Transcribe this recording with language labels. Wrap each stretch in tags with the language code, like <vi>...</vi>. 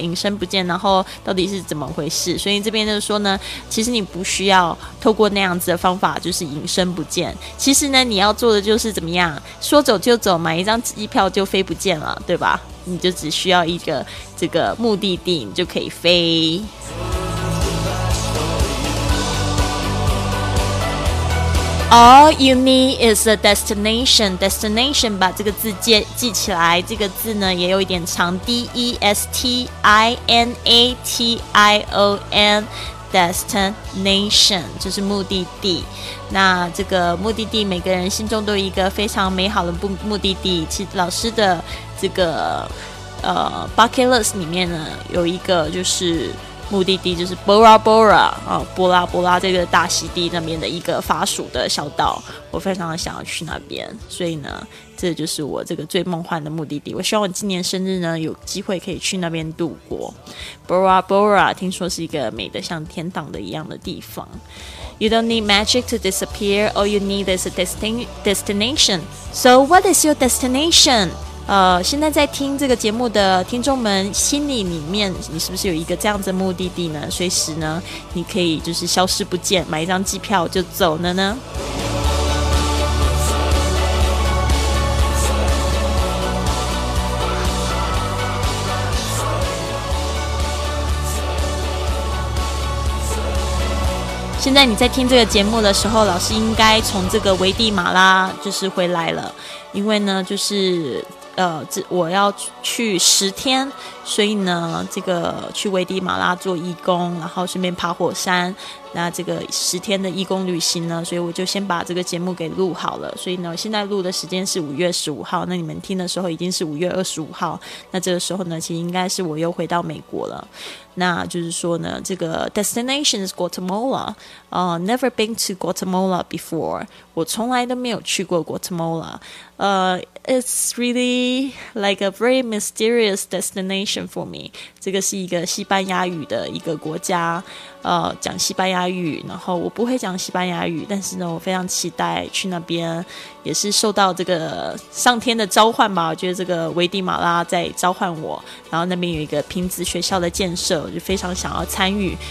<zh>隐身不见，然后到底是怎么回事？所以这边就是说呢，其实你不需要透过那样子的方法就是隐身不见，其实呢你要做的就是怎么样，说走就走，买一张机票就飞不见了，对吧？你就只需要一个这个目的地你就可以飞。</zh> <en>All you need is a destination.</en> <zh>Destination， 把这个字记起来。这个字呢也有一点长 ，destination， destination 就是目的地。那这个目的地，每个人心中都有一个非常美好的目的地。其实老师的这个bucket list 里面呢有一个就是。目的地就是 Bora Bora、波拉波拉这个大溪地那边的一个法属的小岛，我非常想要去那边，所以呢这就是我这个最梦幻的目的地。我希望我今年生日呢有机会可以去那边度过。 Bora Bora 听说是一个美的像天堂的一样的地方。</zh> <en>You don't need magic to disappear. All you need is a destination. So what is your destination?</en> <zh>现在在听这个节目的听众们心里面，你是不是有一个这样子的目的地呢？随时呢你可以就是消失不见，买一张机票就走了呢。现在你在听这个节目的时候，老师应该从这个危地马拉就是回来了，因为呢就是我要去10天，所以呢这个去危地马拉做义工，然后顺便爬火山，那这个10天的义工旅行呢，所以我就先把这个节目给录好了。所以呢现在录的时间是5月15号，那你们听的时候已经是5月25号，那这个时候呢其实应该是我又回到美国了。那就是说呢这个</zh> <en>destination is Guatemala、never been to Guatemala before，</en> <zh>我从来都没有去过 Guatemala。</zh> <en>It's really like a very mysterious destination for me。</en> <zh>这个是一个西班牙语的一个国家，讲西班牙语，然后我不会讲西班牙语，但是呢我非常期待去那边，也是受到这个上天的召唤吧。我觉得这个危地马拉在召唤我，然后那边有一个瓶子学校的建设，我就非常想要参与。</zh>